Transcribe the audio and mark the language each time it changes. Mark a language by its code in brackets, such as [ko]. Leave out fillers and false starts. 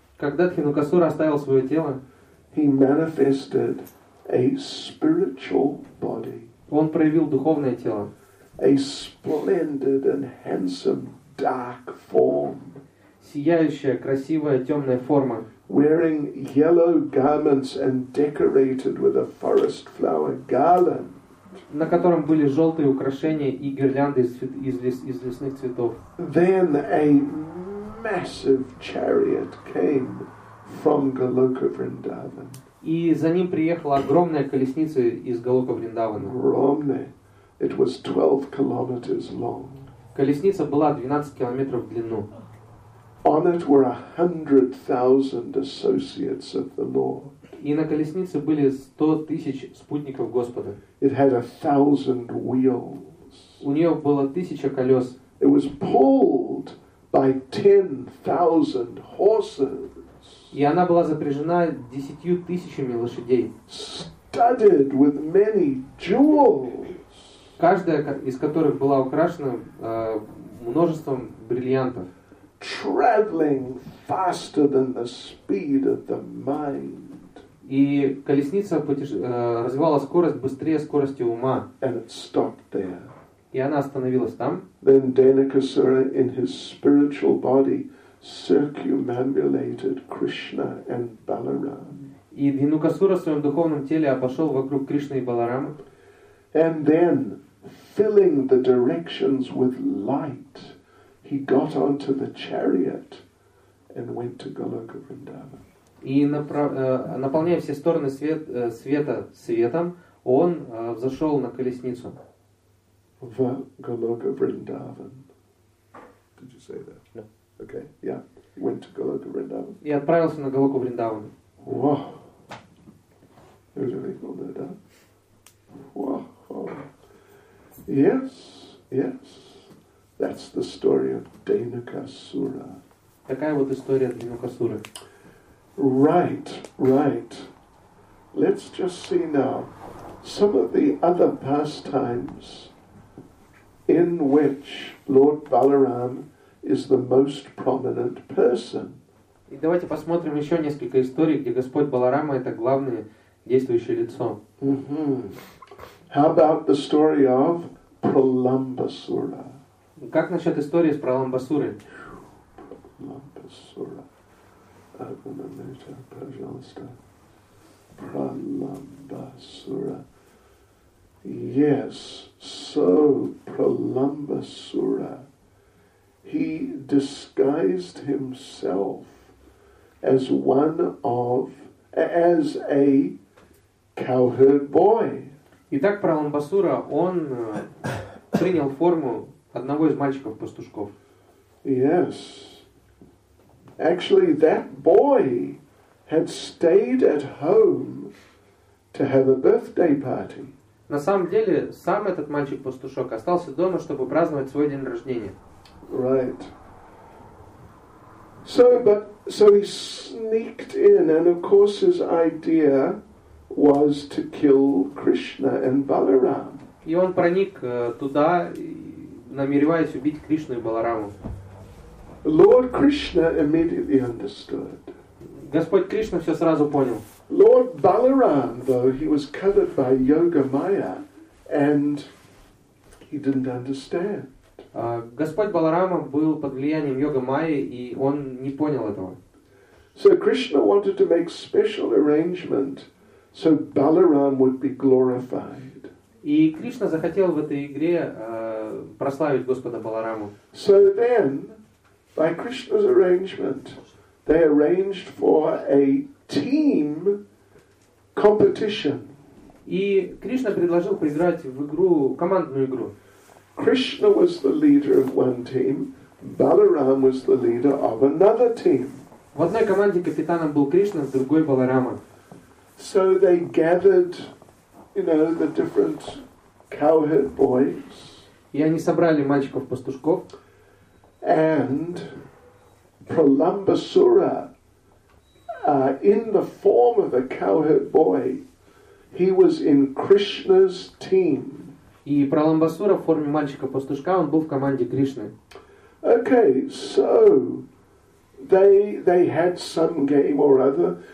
[ru] Когда Тхинукасура оставил свое тело, [en] he manifested a spiritual body. [ru] Он проявил духовное тело. [en] A splendid and handsome dark form. [ru] Сияющая, красивая, темная форма. [en] Wearing yellow garments and decorated with a forest flower garland. [ru] На котором были желтые украшения и гирлянды из лесных цветов. [en] Then a massive chariot came from Goloka Vrindavan. [ru] И за ним приехала огромная колесница из Голока Вриндавана. Огромная. [en] It was 12 kilometers long. [ru] Колесница была 12 километров в длину. [en] On it were 100,000 associates of the Lord. [ru] И на колеснице были 100 тысяч спутников Господа. [en] It had 1,000 wheels. [ru] У нее было 1,000 колес. [en] It was pulled by 10,000 horses. [ru] И она была запряжена 10,000 лошадей. [en] Studded with many jewels. [ru] Каждая из которых была украшена множеством бриллиантов. [en] Traveling faster than the speed of the mind. [ru] И колесница развивала скорость быстрее скорости ума. [en] And it stopped there. [ru] И она остановилась там. [en] Then Тхинукасура in his spiritual body circumambulated Krishna and Balaram. [ru] И Тхинукасура в своем духовном теле обошел вокруг Кришны и Баларамы. [en] And then, filling the directions with light, he got onto the chariot and went to Goloka Vrindavan. [ru] И наполняя все стороны света светом, он взошел на колесницу. В Голока Вриндаван. [en] Did you say that? Yeah. Okay. Yeah. Went to Голока Вриндаван. [ru] И отправился на Голоку Вриндаван. [en] Wow. It was unbelievable, [ru] да? [en] Wow. Yes. Yes. That's the story of Тхинукасура. [ru] Такая вот история Тхинукасуры. [en] Right, right. Let's just see now some of the other pastimes in which Lord Balaram is the most prominent person. [ru] И давайте посмотрим еще несколько историй, где Господь Баларама это главное действующее лицо. [en] How about the story of Pralambasura? [ru] Как насчет истории с Пралламбасурой? Пралламбасура. Агунамета, пожалуйста. [en] Пралламбасура. Yes, so Пралламбасура. He disguised himself as one of, as a cowherd boy. [ru] Итак, Пралламбасура, он принял форму одного из мальчиков-пастушков. [en] Yes. Actually, that boy had stayed at home to have a birthday party. [ru] На самом деле, сам этот мальчик-пастушок остался дома, чтобы праздновать свой день рождения. [en] Right. So he sneaked in, and of course his idea was to kill Krishna and Balaram. [ru] И он проник туда, намереваясь убить Кришну и Балараму. [en] Lord Krishna immediately understood. [ru] Господь Кришна все сразу понял. [en] Lord Balaram, though, he was covered by yoga maya, and he didn't understand. [ru] Господь Баларама был под влиянием йога майи, и он не понял этого. [en] So Krishna wanted to make special arrangement so Balaram would be glorified. [ru] И Кришна захотел в этой игре прославить Господа Балараму. [en] So then, by Krishna's arrangement, they arranged for a team competition. [ru] И Кришна предложил поиграть в игру, командную игру. [en] Krishna was the leader of one team, Balaram was the leader of another team. [ru] В одной команде капитаном был Кришна, в другой Баларама. [en] So they gathered, you know, the different cowherd boys. [ru] И они собрали мальчиков-пастушков. [en] And Pralambasura, in the form of a cowherd boy, he was in Krishna's team. [ru] И Праламбасура в форме мальчика-пастушка, он был в команде Кришны. [en] Okay, so they had some game or other.